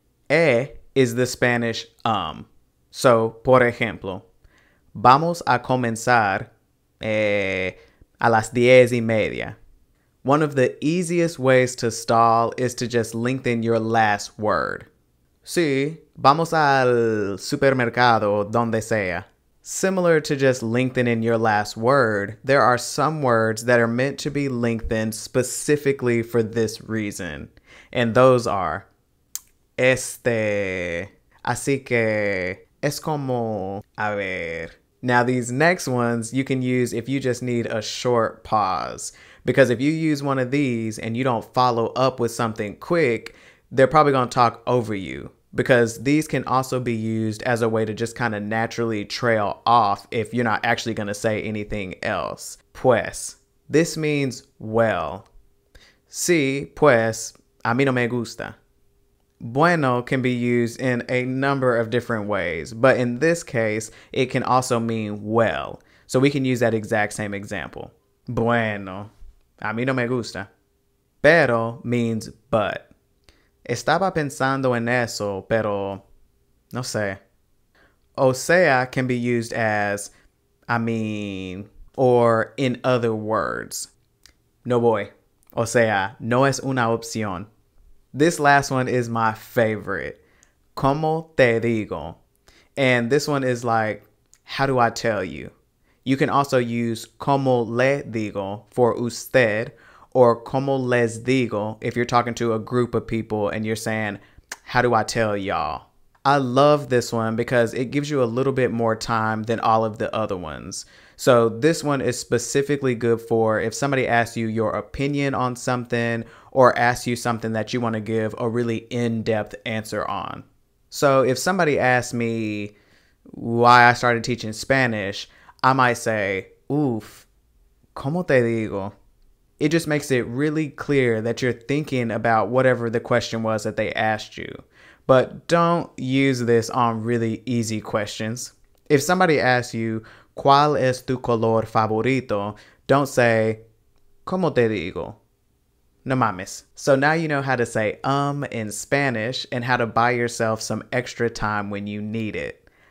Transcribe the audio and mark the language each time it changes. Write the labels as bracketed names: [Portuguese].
[Spanish] E is the Spanish So, por ejemplo, vamos a comenzar a las 10:30. [English] One of the easiest ways to stall is to just lengthen your last word. [Spanish] Sí, vamos al supermercado donde sea. [English] Similar to just lengthening your last word, there are some words that are meant to be lengthened specifically for this reason. [Spanish] And those are, este, así que, es como, a ver. [English] Now these next ones you can use if you just need a short pause. Because if you use one of these and you don't follow up with something quick, they're probably going to talk over you. Because these can also be used as a way to just kind of naturally trail off if you're not actually going to say anything else. [Spanish] Pues, this means well. Sí, pues, a mí no me gusta. [English] Bueno can be used in a number of different ways, but in this case, it can also mean well. So we can use that exact same example. [Spanish] Bueno, a mí no me gusta. Pero means but. Estaba pensando en eso, pero no sé. [English] O sea can be used as, I mean, or in other words. No voy. O sea, no es una opción. This last one is my favorite. ¿Cómo te digo? And this one is like, how do I tell you? You can also use ¿cómo le digo? For usted. Or como les digo, if you're talking to a group of people and you're saying, how do I tell y'all? I love this one because it gives you a little bit more time than all of the other ones. So this one is specifically good for if somebody asks you your opinion on something or asks you something that you want to give a really in-depth answer on. So if somebody asks me why I started teaching Spanish, I might say, uff, como te digo? It just makes it really clear that you're thinking about whatever the question was that they asked you. But don't use this on really easy questions. [Spanish] If somebody asks you, ¿cuál es tu color favorito? Don't say, ¿cómo te digo? No mames. [English] So now you know how to say in Spanish and how to buy yourself some extra time when you need it.